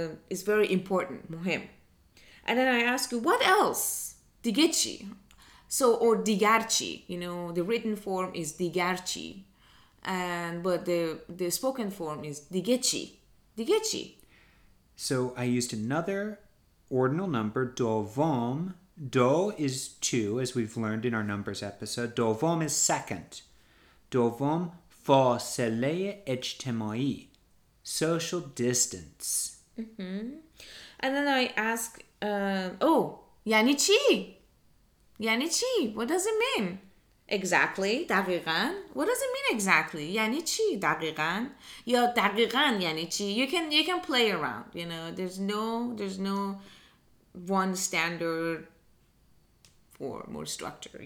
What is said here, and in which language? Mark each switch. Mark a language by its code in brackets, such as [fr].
[en] It's very important, مهم. And then I ask you, what else? [fa] دیگه چی؟ [en] So, or [fa] دیگر چی. [en] You know, the written form is [fa] دیگر چی. [en] But the spoken form is [fa] دیگه چی. دیگه چی. [en] So, I used another ordinal number, دوم. دو is two, as we've learned in our numbers episode. دوم is second. [fa] دوم فاصله اجتماعی, [en] social distance. Mm-hmm. And then I ask, [fa] یعنی چی? یعنی چی? [en] What does it mean? Exactly, دقیقاً. What does it mean exactly? [fa] یعنی چی دقیقاً? یا دقیقاً یعنی چی? [en] You can play around. You know, there's no one standard form or structure.